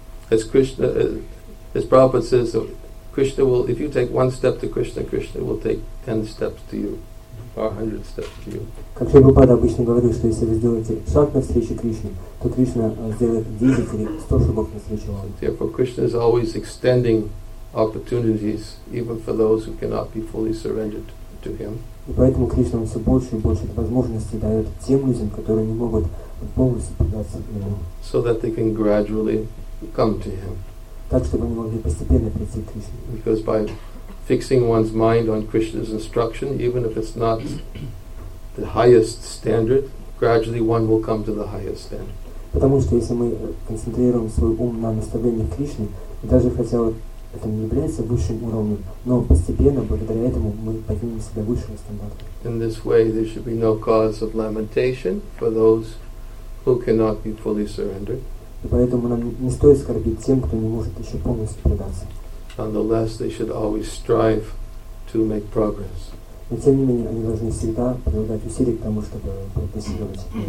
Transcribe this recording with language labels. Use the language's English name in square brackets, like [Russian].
[English] As Prabhupada says, Krishna will, if you take one step to Krishna, Krishna will take 10 steps to you, or 100 steps to you. [Russian] Как Шрила Прабхупада обычно говорит, что если вы сделаете шаг навстречу Кришне, то Кришна сделает 10 или 100 шагов навстречу вам. [English] Therefore, Krishna is always extending opportunities even for those who cannot be fully surrendered to him. [Russian] И поэтому Кришна все больше и больше возможностей дает тем людям, которые не могут полностью предаться ему. [English] So that they can gradually come to him. [Russian] Так чтобы они могли постепенно прийти к Кришне. [English] Because by fixing one's mind on Krishna's instruction, even if it's not the highest standard, gradually one will come to the highest standard. [Russian] Потому что если мы концентрируем свой ум на наставлении Кришны, даже хотя вот это не является высшим уровнем, но постепенно, благодаря этому, мы поднимемся до высшего стандарта. [English] In this way, there should be no cause of lamentation for those who cannot be fully surrendered. [Russian] И поэтому нам не стоит скорбить тем, кто не может еще полностью предаться. [English] Nonetheless, they should always strive to make progress. [Russian] Но тем не менее, они должны всегда прилагать усилия к тому, чтобы прогрессировать.